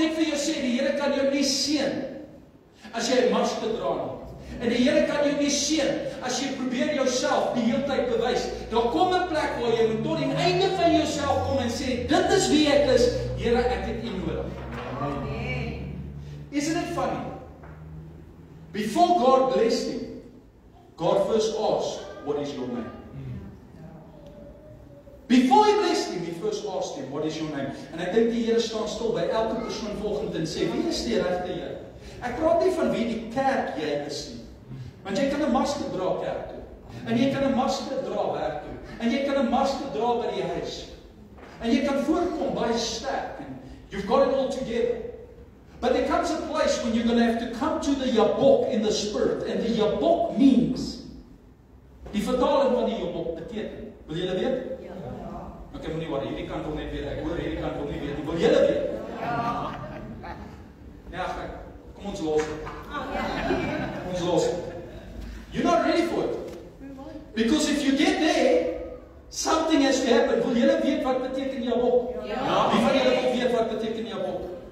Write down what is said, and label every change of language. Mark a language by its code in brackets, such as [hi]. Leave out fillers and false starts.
[af] net vir jou sê, die Here kan jou nie seën as jy 'n masker dra nie. En die Here kan jou nie seën as jy probeer jouself die hele tyd bewys. Daar kom 'n plek waar jy moet tot die einde van jouself kom en sê, dit is wie ek is, Here, ek het U nodig. Amen. [en] Isn't it funny? Before God blessed him, God first asked, what is your name? Before he blessed him, he first asked him, what is your name? And I think [af] die Here staan stil by elke persoon volgend en sê, wie is die regte jy? Ek praat nie van wie die kerk jy is nie. Want jy kan 'n masker dra kerk toe. En jy kan 'n masker dra werk toe. En jy kan 'n masker dra by die huis. En jy kan voorkom baie sterk. [en] You've got it all together. But there comes a place when you're going to have to come to the Yabok in the spirit. And the Yabok means, [af] die vertaling van die Yabok beteken, wil julle weet? Ja. Ek moet nie worry, hierdie kan kom net weer, ek hoor hierdie kan kom nie weer, wil julle weet? Ja. Ja, kom ons los. Kom ons los. [en] You're not ready for it. Because if you get there, something has to happen. [af] Wil julle weet wat beteken Yabok? Ja. Wie van julle wil weet wat beteken Yabok?